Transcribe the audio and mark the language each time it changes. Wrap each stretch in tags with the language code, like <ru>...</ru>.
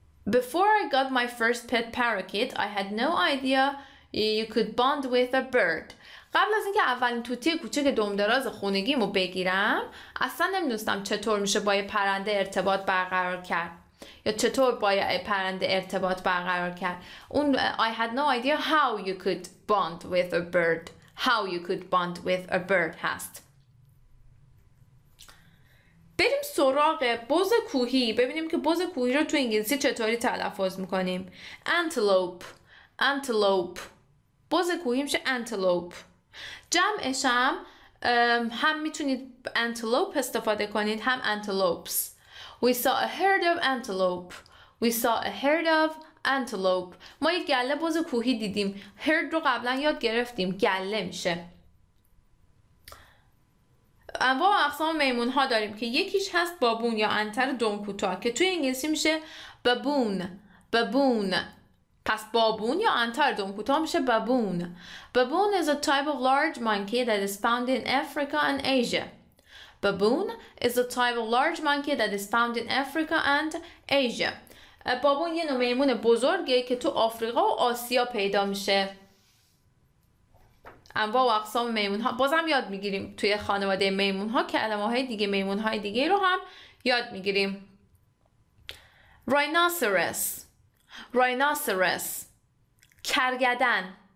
<en>Before I got my first pet parakeet, I had no idea you could bond with a bird.</en> <fa>قبل از اینکه اولین توتی کوچک دمدراز خونگیمو بگیرم، اصلا نمیدونستم چطور میشه با یه پرنده ارتباط برقرار کرد یا چطور با یه پرنده ارتباط برقرار کرد. اون</fa> <en>I had no idea how you could bond with a bird. How you could bond with a bird</en> <fa>هست. بریم سراغ بز کوهی ببینیم که بز کوهی رو تو انگلیسی چطوری تلفظ میکنیم. Antelope. Antelope. بز کوهی میشه antelope. جمعش هم میتونید antelope استفاده کنید هم antelopes.</fa> <en>We saw a herd of antelope. We saw a herd of antelope.</en> <fa>ما یک گله بز کوهی دیدیم. Herd رو قبلا یاد گرفتیم. گله میشه. انواع و اقسام میمون ها داریم که یکیش هست بابون یا انتر دم کوتاه که توی انگلیسی میشه بابون. بابون. پس بابون یا انتر دم کوتاه میشه بابون.</fa> <en>Baboon is a type of large monkey that is found in Africa and Asia. Baboon is a type of large monkey that is found in Africa and Asia.</en> <fa>بابون یه نوع میمون بزرگه که تو آفریقا و آسیا پیدا میشه. انواع و اقسام میمون ها بازم یاد میگیریم توی خانواده میمون ها که علامه های دیگه میمون های دیگه رو هم یاد میگیریم.</fa> <en>Rhinoceros. Rhinoceros. کرگدن.</en>